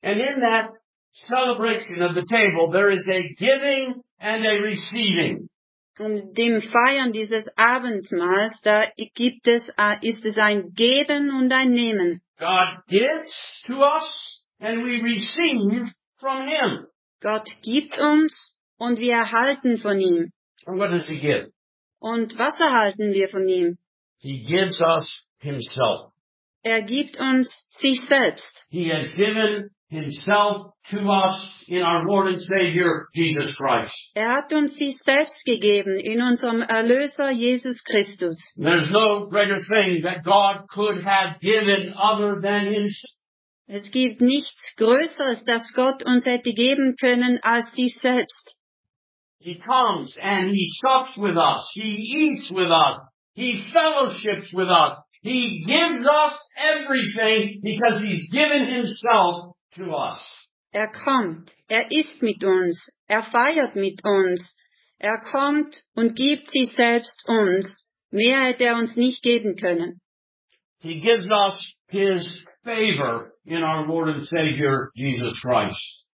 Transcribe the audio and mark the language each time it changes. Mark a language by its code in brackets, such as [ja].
[en] And in that celebration of the table, there is a giving and a receiving. [de] Und dem Feiern dieses Abendmahls, da gibt es, ist es ein Geben und ein Nehmen. [en] God gives to us and we receive from him. [de] Gott gibt uns und wir erhalten von ihm. [en] And what does he give? [de] Und was erhalten wir von ihm? [en] He gives us himself. [de] Er gibt uns sich selbst. [en] He has given himself to us in our Lord and Savior, Jesus Christ. [de] Er hat uns sich selbst gegeben in unserem Erlöser, Jesus Christus. [en] There's no greater thing that God could have given other than himself. [de] Es gibt nichts Größeres, das Gott uns hätte geben können, als sich selbst. [en] He comes and he sups with us. He eats with us. He fellowships with us. He gives us everything because he's given himself to us. [de] Er kommt. Er isst mit uns. Er feiert mit uns. Er kommt und gibt sich selbst uns. Mehr hätte er uns nicht geben können. [en] He gives us his favor in our Lord and Savior Jesus Christ.